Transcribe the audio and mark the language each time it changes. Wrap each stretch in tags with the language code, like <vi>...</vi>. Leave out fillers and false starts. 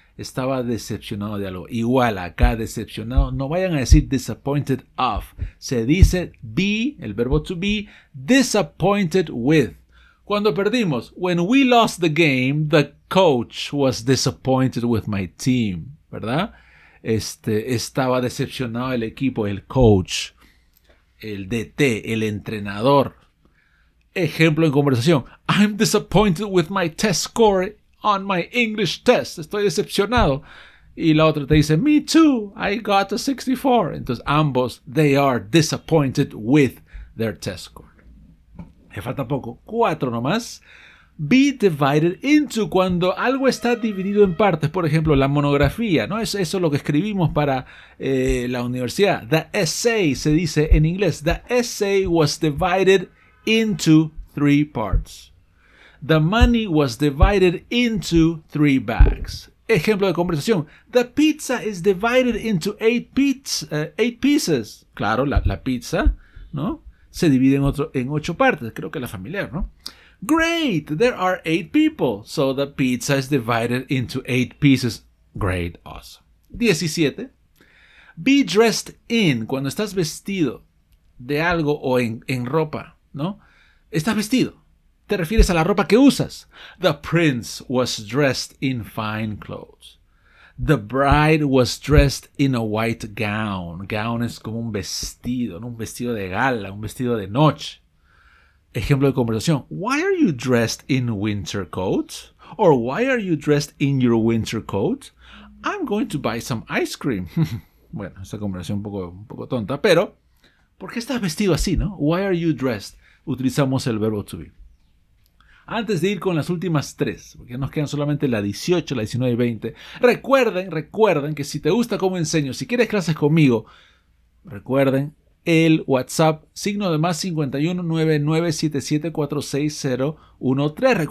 <es>Estaba decepcionado de algo. Igual acá, decepcionado. No vayan a decir disappointed of. Se dice be, el verbo to be, disappointed with. Cuando perdimos,</es> <en>when we lost the game, the coach was disappointed with my team.</en> <es>¿Verdad? Estaba decepcionado el equipo, el coach, el DT, el entrenador. Ejemplo en conversación.</es> <en>I'm disappointed with my test score on my English test.</en> <es>Estoy decepcionado. Y la otra te dice,</es> <en>me too, I got a 64.</en> <es>Entonces ambos,</es> <en>they are disappointed with their test score.</en> <es>Me falta poco. 4 nomás. Be divided into, cuando algo está dividido en partes. Por ejemplo, la monografía, ¿no? Eso es lo que escribimos para la universidad.</es> <en>The essay,</en> <es>se dice en inglés.</es> <en>The essay was divided into 3 parts. The money was divided into 3 bags.</en> <es>Ejemplo de conversación.</es> <en>The pizza is divided into 8 pieces.</en> <es>Claro, la pizza, ¿no? Se divide en 8 partes. Creo que la familiar, ¿no?</es> <en>Great, there are 8 people. So the pizza is divided into 8 pieces. Great, awesome. 17. Be dressed in.</en> <es>Cuando estás vestido de algo o en ropa, ¿no? Estás vestido. Te refieres a la ropa que usas.</es> <en>The prince was dressed in fine clothes. The bride was dressed in a white gown.</en> <es>Gown es como un vestido, ¿no? Un vestido de gala, un vestido de noche. Ejemplo de conversación.</es> <en>Why are you dressed in winter coat? Or why are you dressed in your winter coat? I'm going to buy some ice cream.</en> <es>Bueno, esta conversación un poco tonta, pero ¿por qué estás vestido así, no?</es> <en>Why are you dressed?</en> <es>Utilizamos el verbo to be. Antes de ir con las últimas 3, porque nos quedan solamente la 18, la 19 y 20, recuerden que si te gusta cómo enseño, si quieres clases conmigo, recuerden el WhatsApp, signo de más 51 99 77 46 013.</es>